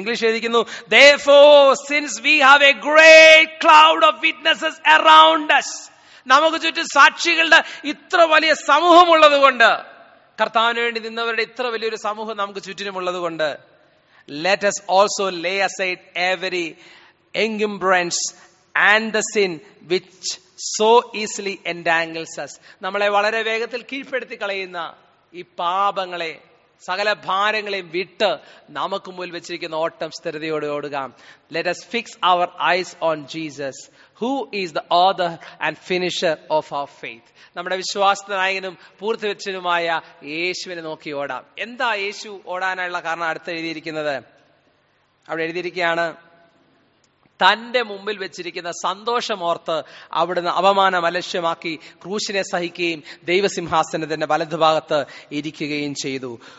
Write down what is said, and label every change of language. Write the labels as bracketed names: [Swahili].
[Malayalam] English എഴുതിക്കുന്നു, [English] therefore since we have a great cloud of witnesses around us, [Malayalam] നമുക്ക് ചുറ്റും സാക്ഷികളുടെ ഇത്ര വലിയ സമൂഹമുള്ളത് കൊണ്ട്, കർത്താവിന് വേണ്ടി നിന്നവരുടെ ഇത്ര വലിയൊരു സമൂഹം നമുക്ക് ചുറ്റിനുമുള്ളത് കൊണ്ട്, [English] let us also lay aside every encumbrance and the sin which so easily entangles us. [Malayalam] നമ്മളെ വളരെ വേഗത്തിൽ കീഴ്പ്പെടുത്തി കളയുന്ന ഈ പാപങ്ങളെ, സകല ഭാരങ്ങളെയും വിട്ട് നമുക്ക് മുമ്പിൽ വെച്ചിരിക്കുന്ന ഓട്ടം സ്ഥിരതയോടെ ഓടുക. [English] Let us fix our eyes on Jesus, who is the author and finisher of our faith. [Malayalam] നമ്മുടെ വിശ്വാസനായകനും പൂർത്തിവെച്ചനുമായ യേശുവിനെ നോക്കി ഓടാം. എന്താ യേശു ഓടാനുള്ള കാരണം അടുത്ത് എഴുതിയിരിക്കുന്നത്? അവിടെ എഴുതിയിരിക്കുകയാണ്, തന്റെ മുമ്പിൽ വെച്ചിരിക്കുന്ന സന്തോഷം ഓർത്ത് അവിടുന്ന് അപമാനം അലക്ഷ്യമാക്കി ക്രൂശിനെ സഹിക്കുകയും ദൈവസിംഹാസനത്തിന്റെ വലതുഭാഗത്ത് ഇരിക്കുകയും ചെയ്തു.